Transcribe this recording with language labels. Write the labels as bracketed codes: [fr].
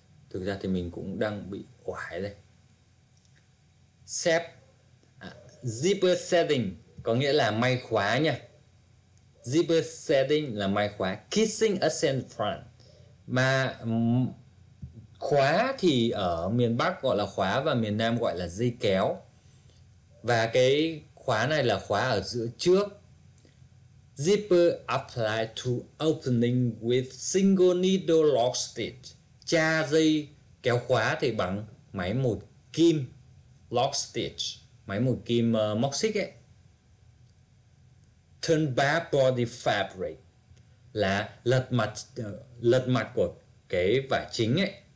[vi] Thực ra thì mình cũng đang bị oải đây. [en] Set, zipper setting [vi] có nghĩa là may khóa nha. [en] Zipper setting [vi] là may khóa. [en] Kissing accent front. [vi] Mà khóa thì ở miền Bắc gọi là khóa và miền Nam gọi là dây kéo. Và cái khóa này là khóa ở giữa trước. [en] Zipper apply to opening with single needle lock stitch. [vi] Tra dây kéo khóa thì bằng máy một kim [en] lock stitch, [vi] máy một kim móc xích ấy. [en] Turn back body fabric [vi] là lật mặt của cái vải chính ấy.